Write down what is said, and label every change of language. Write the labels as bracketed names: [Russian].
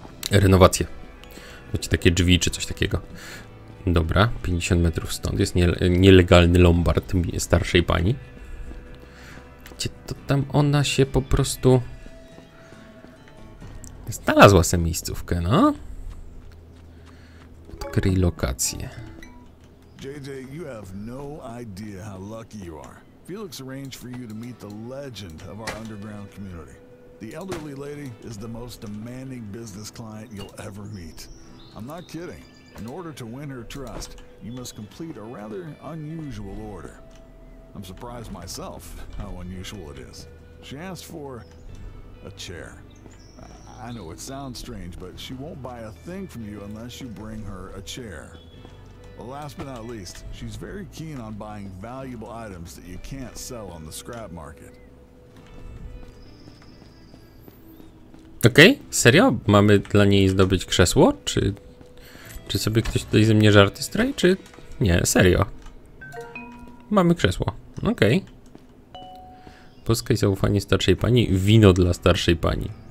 [Polish] Renowację. Macie takie drzwi czy coś takiego. Dobra, 50 metrów stąd jest nielegalny lombard starszej pani. Gdzie to tam ona się po prostu znalazła sobie miejscówkę, no? Odkryj lokację. [English] JJ, you have no idea how lucky you are. Felix arranged for you to meet the legend of our underground community. The elderly lady is the most demanding business client you'll ever meet. I'm not kidding. In order to win her trust, you must complete a rather unusual order. I'm surprised myself how unusual it is. She asked for a chair. I know it sounds strange, but she won't buy a thing from you unless you bring her a chair. Well, last but not least, she's very keen on buying valuable items that you can't sell on the scrap market. [Polish] Okej, okay, serio? Mamy dla niej zdobyć krzesło? Czy sobie ktoś tutaj ze mnie żarty stroi, czy... Nie, serio. Mamy krzesło. Okej. Okay. Pozyskaj zaufanie starszej pani. Wino dla starszej pani.